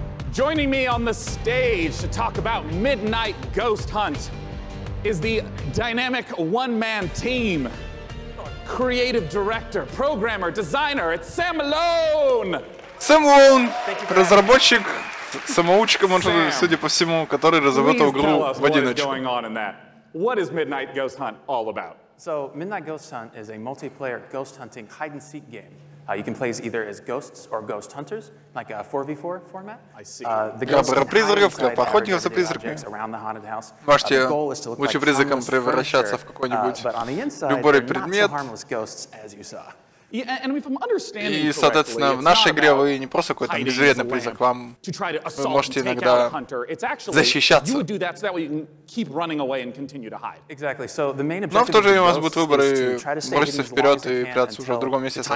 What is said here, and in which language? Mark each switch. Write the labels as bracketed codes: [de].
[en] Joining me on the stage to talk about Midnight Ghost Hunt is the dynamic one-man team. Creative director, programmer, designer, it's Sam Malone! [ru] Sam Malone, разработчик, самоучка, может, Sam, судя по всему, который разработал игру в одиночку. [en] What is Midnight Ghost Hunt all about? So, Midnight Ghost Hunt is a multiplayer ghost hunting hide-and-seek game. You can play as either as ghosts or ghost hunters, like a 4v4 format. I see. The ghosts can hide inside aggregated objects around the haunted house. The goal is to look like harmless furniture, but on the inside, they're not so harmless ghosts as you saw. Yeah, and if I'm understanding correctly, [ru] и, соответственно, в нашей игре вы не просто какой-то безвредный призрак, вам вы можете иногда защищаться. Но в то же время у вас будут выборы броситься вперед и прятаться уже в другом месте со